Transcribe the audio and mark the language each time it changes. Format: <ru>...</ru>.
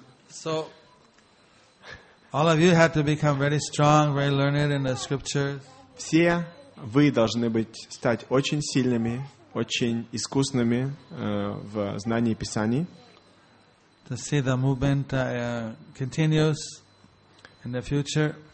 <en>So all of you have to become very strong, very learned in the scriptures.</en> <ru>Все вы должны быть стать очень сильными, очень искусными в знании Писаний.</ru> <en>To see the movement continues in the future.</en>